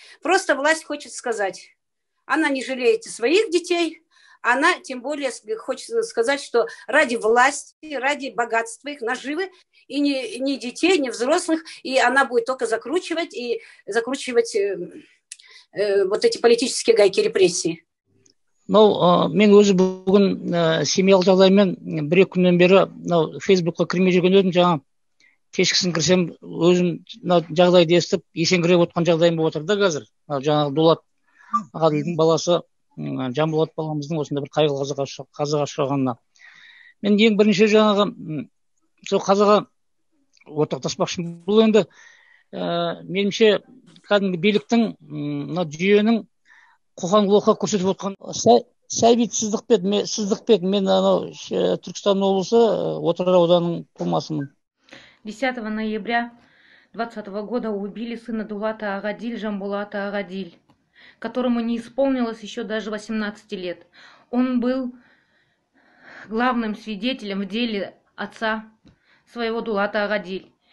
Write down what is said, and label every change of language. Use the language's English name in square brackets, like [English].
[Russian] Просто власть хочет сказать, она не жалеет своих детей, она тем более хочет сказать, что ради власти, ради богатства их наживы, и ни детей, ни взрослых, и она будет только закручивать и закручивать вот эти политические гайки репрессии. [Kazakh] Ну, мен өзі бүгін семьялық жағдаймен бірек күннен бері Фейсбукқа кірмей жүрген едім жаңа. Кешкісін кірсем, өзім жағдайды естіп, есеңгіреп отқан жағдайым болып отырды қазір. Жаңағы Дулат ағадылдың баласы, Жанболат баламыздың осында бір қайғылы қазаға ұшырағанына. Мен ең бірінші жаңағы сол қазаға ортақтаспақшым. Бұл енді менімше кәдімгі биліктің, жүйенің қоқан лоққа көрсетіп отқан сәбитсіздікпен. Мен Түркістан облысы Отырар ауданының тумасымын. [Russian] 10 ноября 2020 года убили сына Дулата Агадиль, Жанболата Агадиль, которому не исполнилось еще даже 18 лет. Он был главным свидетелем в деле отца своего Дулата Агадиль.